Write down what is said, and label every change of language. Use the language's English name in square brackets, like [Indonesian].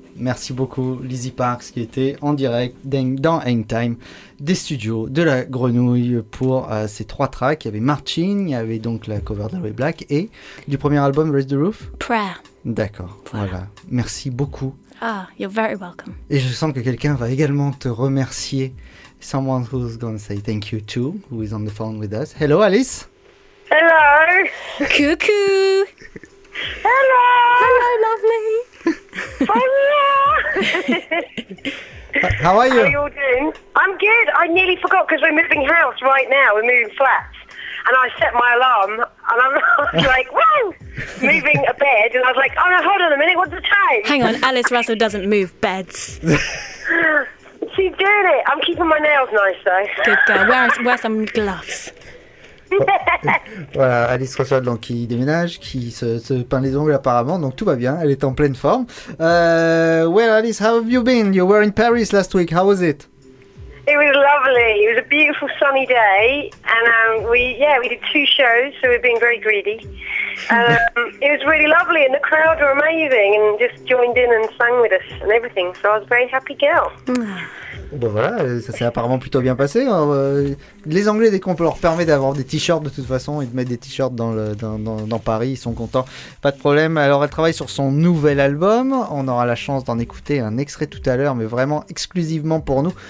[French] Merci beaucoup, Lizzie Parks, qui était en direct dans Hang Time des studios de la Grenouille pour ces trois tracks. Il y avait Marching, il y avait donc la cover d'Away Black et du premier album, Raise the Roof. Prayer. D'accord, voilà. Merci beaucoup. [English] Ah, you're very welcome. [French] Et je sens que quelqu'un va également te remercier. [English] Someone who's going to say thank you too, who is on the phone with us. Hello, Alice. Hello. [French] Coucou. [English] Hello! Hello, lovely! Hello! How are you? How are you all doing? I'm good. I nearly forgot because we're moving house right now. We're moving flats. And I set my alarm And I'm like, woo, moving a bed. And I was like, oh, no, hold on a minute, what's the time? Hang on, Alice Russell doesn't move beds. She's doing it. I'm keeping my nails nice, though. Good girl. Wear some gloves. [French] Voilà, Alice Russell donc, qui déménage, qui se peint les ongles apparemment, donc tout va bien, elle est en pleine forme. [English] Well, Alice, how have you been? You were in Paris last week, how was it? It was lovely, it was a beautiful sunny day, and we did two shows, so we've been very greedy. It was really lovely, and the crowd were amazing, and just joined in and sang with us and everything, so I was a very happy girl. [French] Bon voilà, ça s'est apparemment plutôt bien passé. Les Anglais, dès qu'on peut leur permettre d'avoir des t-shirts de toute façon et de mettre des t-shirts dans Paris, ils sont contents. Pas de problème. Alors elle travaille sur son nouvel album. On aura la chance d'en écouter un extrait tout à l'heure, mais vraiment exclusivement pour nous.